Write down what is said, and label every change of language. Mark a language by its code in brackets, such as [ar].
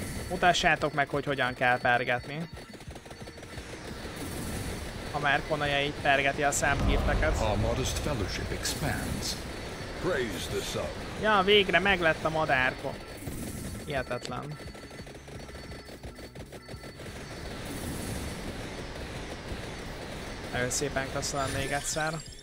[hu] mutassátok meg, hogy hogyan kell pergetni. Ha már Konaja így pergeti a számhírteket. [en] Our modest fellowship expands. Praise the sub. [hu] Ja, végre meglett a madárko. Hihetetlen. Nagyon szépen köszönöm még egyszer.